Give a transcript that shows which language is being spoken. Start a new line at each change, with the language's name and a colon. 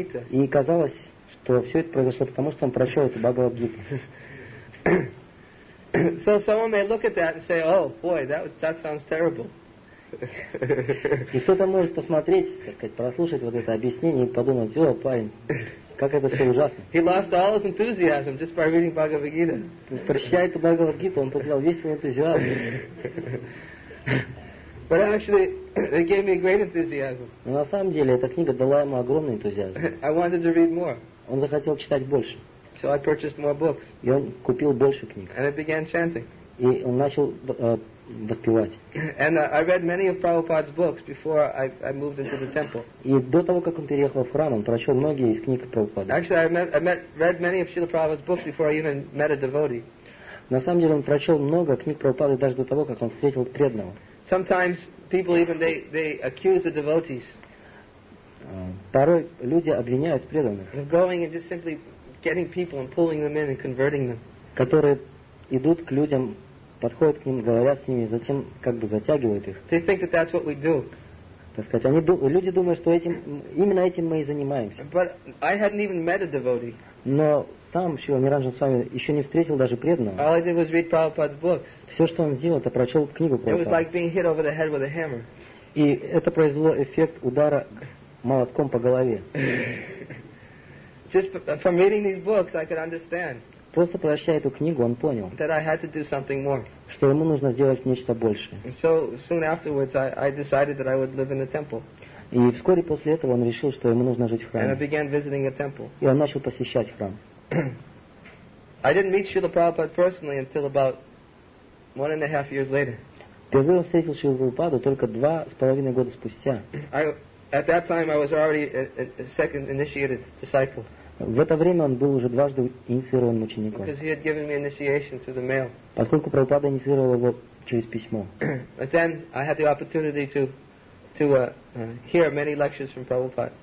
Russian: И казалось, что все это произошло потому, что он прочел эту Бхагавад Гиту.
English: So someone may look at that and say, oh, boy, that sounds terrible.
Russian: И кто-то может посмотреть, так сказать, прослушать вот это объяснение и подумать: о, парень, как это все ужасно.
English: He lost all his enthusiasm just by reading Bhagavad Gita.
Russian: Прочитав эту Бхагавад Гиту, он потерял весь свой энтузиазм.
English: But actually, it gave me great enthusiasm.
Russian: Но на самом деле эта книга дала ему огромный энтузиазм.
English: I wanted to read more.
Russian: Он захотел читать больше.
English: So I purchased more books.
Russian: И он купил больше книг.
English: And I began chanting.
Russian: И он начал воспевать.
English: And I read many of Prabhupada's books before I moved into the temple.
Russian: И до того, как он переехал в храм, он прочел многие из книг Прабхупады.
English: Actually, I read many of Srila Prabhupada's books before I even met a devotee.
Russian: На самом деле, он прочел много книг Прабхупады даже до того, как он встретил преданного.
English: Sometimes people even they accuse the devotees.
Russian: Порой люди обвиняют преданных.
English: Of going and just simply getting people and pulling them in and converting them.
Russian: Которые идут к людям, подходят к ним, говорят с ними, затем как бы затягивают их.
English: They think that that's what we do.
Russian: Так сказать, люди думают, что именно этим мы и занимаемся.
English: But I hadn't even met a devotee.
Russian: Но сам Шрила Ниранджан с вами еще не встретил даже преданного.
English: All I did was read Prabhupada's books.
Russian: Все, что он сделал, это прочел книгу Прабхупады.
English: It was like being hit over the head with a hammer.
Russian: И это произвело эффект удара молотком по голове.
English: Just from reading these books, I could understand.
Russian: Просто прочитав эту книгу, он понял,
English: that I had to do something more.
Russian: Что ему нужно сделать нечто большее.
English: So soon afterwards, I decided that I would live in the temple.
Russian: И вскоре после этого он решил, что ему нужно жить в храме.
English: And I began visiting the temple.
Russian: И он начал посещать храм.
English: I didn't meet Srila Prabhupada personally until about 1.5 years later.
Russian: Впервые он встретил Шрилу Прабхупаду только 2.5 года спустя.
English: At that time, I was already a second initiated disciple.
Russian: В это время он был уже 2 инициирован учеником.
English: Because he had given me initiation through the mail.
Russian: Поскольку Прабхупада инициировал его через письмо.
English: But then I had the opportunity to hear many lectures from Prabhupada.